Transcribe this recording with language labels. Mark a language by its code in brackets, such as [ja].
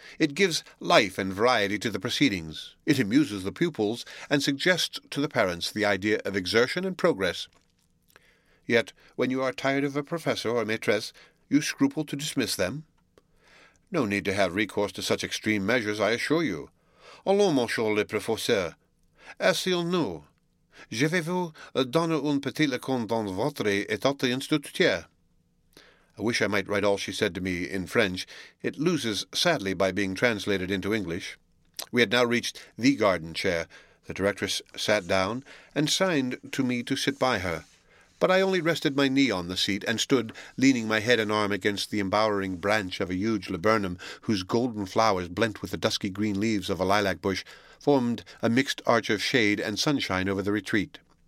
[en] It gives life and variety to the proceedings. It amuses the pupils and suggests to the parents the idea of exertion and progress. Yet, when you are tired of a professor or a maîtresse, you scruple to dismiss them?" "No need to have recourse to such extreme measures, I assure you. [fr] Allons, monsieur le professeur, asseyons-nous. Je vais vous donner un petit leçon dans votre état d'instituteur." [en] I wish I might write all she said to me in French. It loses sadly by being translated into English. We had now reached the garden chair. The directress sat down and signed to me to sit by her. But I only rested my knee on the seat, and stood, leaning my head and arm against the embowering branch of a huge laburnum, whose golden flowers, blent with the dusky green leaves of a lilac bush, formed a mixed arch of shade and sunshine over the retreat.